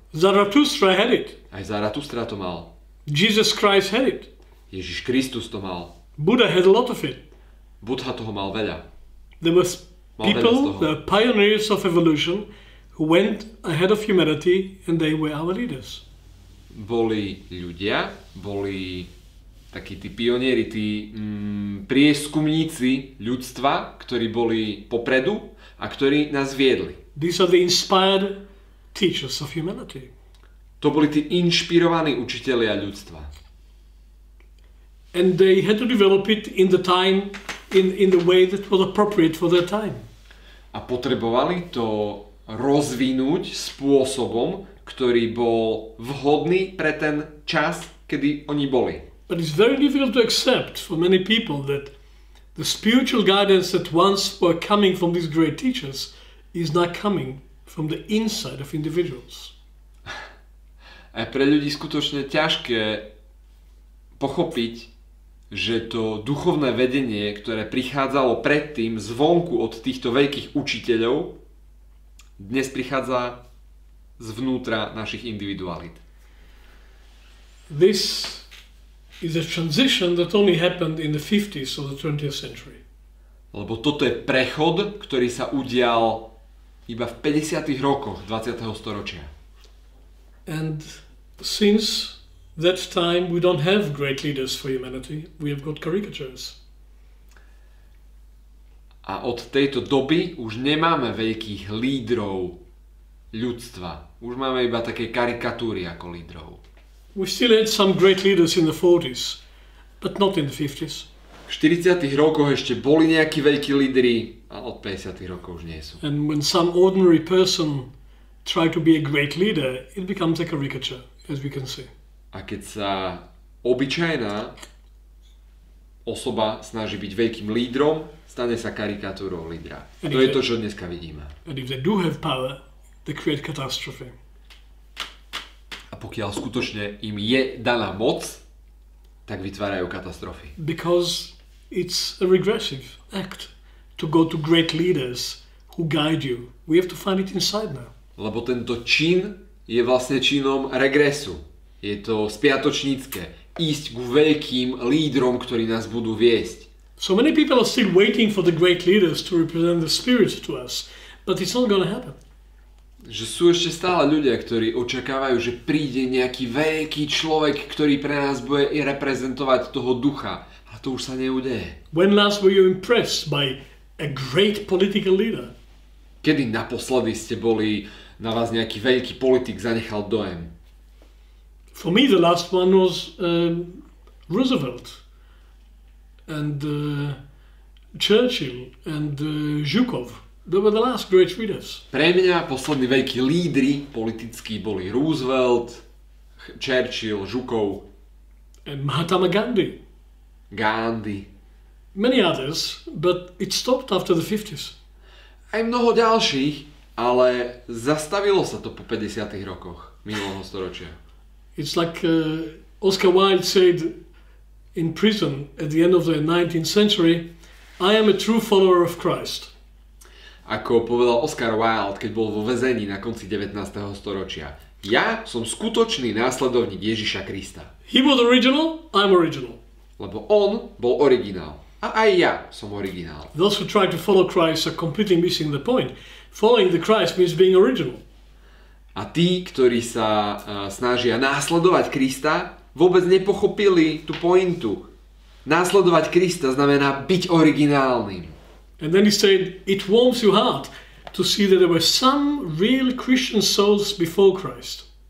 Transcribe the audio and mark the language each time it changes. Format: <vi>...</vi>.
<en>Zarathustra had it.</en> <sk>Aj Zarathustra to mal.</sk> <en>Jesus Christ had it.</en> <sk>Ježiš Kristus to mal.</sk> <en>Buddha had a lot of it.</en> <sk>Buddha toho mal veľa.</sk> <en>There was people, the pioneers of evolution, who went ahead of humanity and they were our leaders.</en> <sk>Boli ľudia, boli takí tí pionieri, tí prieskumníci ľudstva, ktorí boli popredu a ktorí nás viedli.</sk> <en>These are the inspired teachers of humanity.</en> <sk>To boli tí inšpirovaní učitelia ľudstva.</sk> <en>And they had to develop it in the time, in the way that was appropriate for their time.</en> <sk>A potrebovali to rozvinúť spôsobom, ktorý bol vhodný pre ten čas, kedy oni boli.</sk> <en>But it's very difficult to accept for many people that the spiritual guidance that once were coming from these great teachers is now coming from the inside of individuals.</en> <sk>A pre ľudí skutočne ťažké pochopiť, že to duchovné vedenie, ktoré prichádzalo predtým zvonku od týchto veľkých učiteľov, dnes prichádza zvnútra našich individualít.</sk> <en>This is a transition that only happened in the 50s of the 20th century.</en> <sk>Lebo toto je prechod, ktorý sa udial iba v 50. rokoch 20. storočia.</sk> <en>And since that time we don't have great leaders for humanity, we have got caricatures.</en> <sk>A od tejto doby už nemáme veľkých lídrov ľudstva. Už máme iba také karikatúry ako lídrov.</sk> <en>We still had some great leaders in the 40s, but not in the 50s.</en> <sk>V 40. rokoch ešte boli nejakí veľkí lídri, a od 50. rokov už nie sú.</sk> <en>And when some ordinary person tried to be a great leader, it becomes a caricature, as we can see.</en> <sk>A keď sa obyčajná osoba snaží byť veľkým lídrom, stane sa karikatúrou lídra.</sk> <en>And</en> <sk>to je to, čo dneska vidíme.</sk> <en>And if they do have power, they create catastrophe.</en> <sk>A pokiaľ skutočne im je daná moc, tak vytvárajú katastrofy.</sk> <en>Because it's a regressive act to go to great leaders who guide you. We have to find it inside now.</en> <sk>Lebo tento čin je vlastne činom regresu. Je to spiatočnícke. Ísť k veľkým lídrom, ktorí nás budú viesť.</sk> <en>So many people are still waiting for the great leaders to represent the spirit to us. But it's not going to happen.</en> <sk>Že sú ešte stále ľudia, ktorí očakávajú, že príde nejaký veľký človek, ktorý pre nás bude i reprezentovať toho ducha. A to už sa neudeje.</sk> <en>When last were you impressed by a great political leader?</en> <sk>Kedy naposledy ste boli, na vás nejaký veľký politik zanechal dojem?</sk> <en>For me the last one was Roosevelt and Churchill and Zhukov, they were the last great leaders.</en> <sk>Pre mňa poslední veľkí lídri politickí boli Roosevelt, Churchill, Zhukov.</sk> <en>And Mahatma Gandhi.</en> <sk>Gandhi.</sk> <en>Many others, but it stopped after the 50s.</en> <sk>Aj mnoho ďalších, ale zastavilo sa to po 50. rokoch minulého storočia.</sk> <en>It's like Oscar Wilde said in prison at the end of the 19th century, I am a true follower of Christ.</en> <sk>Ako povedal Oscar Wilde, keď bol vo väzení na konci 19. storočia, ja som skutočný následovník Ježiša Krista.</sk> <en>He was original, I'm original.</en> <sk>Lebo on bol originál. A aj ja som originál.</sk> <en>Those who try to follow Christ are completely missing the point. Following the Christ means being original.</en> <sk>A tí, ktorí sa snažia následovať Krista, vôbec nepochopili tú pointu. Následovať Krista znamená byť originálnym.</sk> <en>And then he said, it warms your heart to see that there were some real Christian souls before Christ.</en>